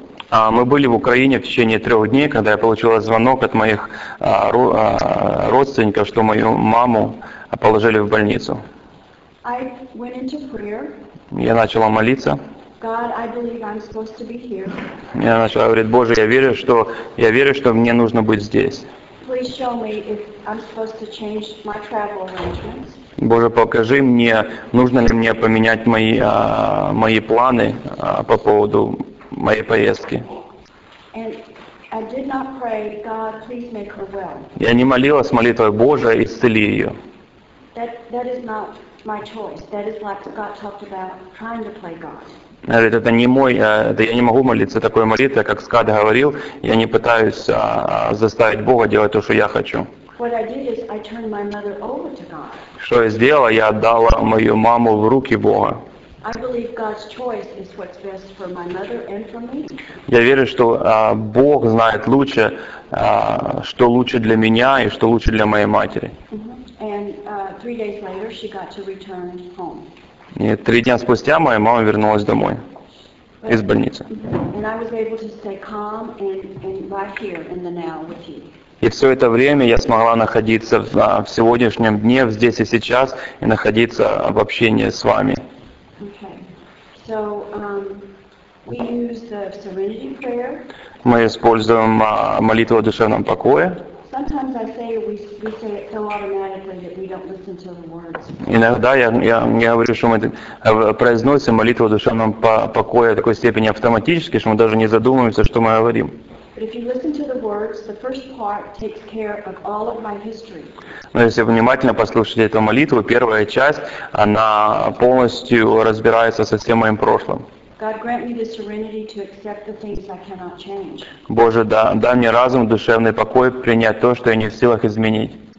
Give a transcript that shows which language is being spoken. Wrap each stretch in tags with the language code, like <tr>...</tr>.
<ru>Мы были в Украине в течение 3 дней, когда я получила звонок от моих родственников, что мою маму положили в больницу.</ru> <en>I went into prayer.</en> <ru>Я начала молиться.</ru> <en>God, I believe I'm supposed to be here.</en> <ru>Я начала говорить, Боже, я верю, что мне нужно быть здесь.</ru> <en>Please show me if I'm supposed to change my travel arrangements.</en> <ru>Боже, покажи мне, нужно ли мне поменять мои планы по поводу моей поездки.</ru> <en>And I did not pray, God, please make her well.</en> <ru>Я не молилась молитвой, Боже, исцели ее.</ru> <en>That is not my choice. That is like Scott talked about trying to play God.</en> <ru>Говорит, это не мой, это я не могу молиться такой молитвой, как Скат говорил, я не пытаюсь заставить Бога делать то, что я хочу.</ru> <en>What I did is I turned my mother over to God.</en> <ru>Что я сделала? Я отдала мою маму в руки Бога.</ru> <en>I believe God's choice is what's best for my mother and for me.</en> <ru>Я верю, что Бог знает лучше, что лучше для меня и что лучше для моей матери.</ru> <en>And 3 days later, she got to return home.</en> <ru>И 3 дня спустя моя мама вернулась домой из больницы.</ru> <en>And I was able to stay calm and right here in the now with you.</en> <ru>И все это время я смогла находиться в сегодняшнем дне, здесь и сейчас, и находиться в общении с вами.</ru> <en>Okay. So we use the serenity prayer.</en> <ru>Мы используем молитву о душевном покое.</ru> <en>Sometimes I say we say it so automatically that we don't listen to the words.</en> <ru>Иногда я говорю, что мы произносим молитву о душевном покое в такой степени автоматически, что мы даже не задумываемся, что мы говорим.</ru> <en>But if you listen to the words, the first part takes care of all of my history.</en> <ru>Но если внимательно послушать эту молитву, первая часть, она полностью разбирается со всем моим прошлым.</ru> <en>God grant me the serenity to accept the things I cannot change.</en> <ru>Боже, дай мне разум, душевный покой принять то, что я не в силах изменить.</ru>